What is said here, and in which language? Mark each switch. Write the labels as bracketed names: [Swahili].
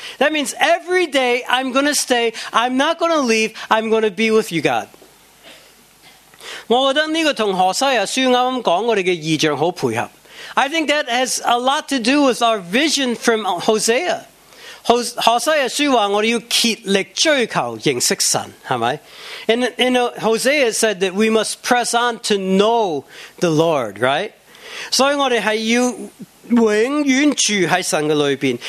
[English] That means every day I'm going to stay, I'm not going to leave, I'm going to be with you, God. [Chinese] 我觉得这个跟何西亚书刚刚讲我们的意象很配合. [English] I think that has a lot to do with our vision from Hosea. [Chinese] Hosea书说我们要竭力追求认识神,是不是? [English] And Hosea said that we must press on to know the Lord, right? [Chinese] 所以我们是要永远住在神的里面.